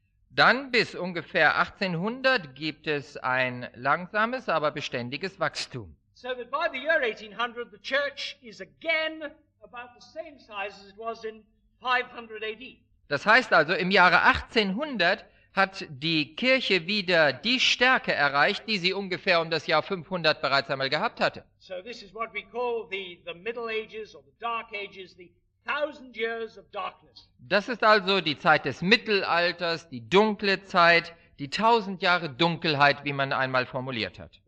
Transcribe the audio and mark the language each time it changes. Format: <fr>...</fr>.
<de>Dann bis ungefähr 1800 gibt es ein langsames, aber beständiges Wachstum.</de> <en>So that by the year 1800, the church is again about the same size as it was in 500 AD.</en> <de>Das heißt also, im Jahre 1800 hat die Kirche wieder die Stärke erreicht, die sie ungefähr um das Jahr 500 bereits einmal gehabt hatte.</de> <en>So this is what we call the Middle Ages or the Dark Ages, the thousand years of darkness.</en> <de>Das ist also die Zeit des Mittelalters, die dunkle Zeit, die tausend Jahre Dunkelheit, wie man einmal formuliert hat.</de>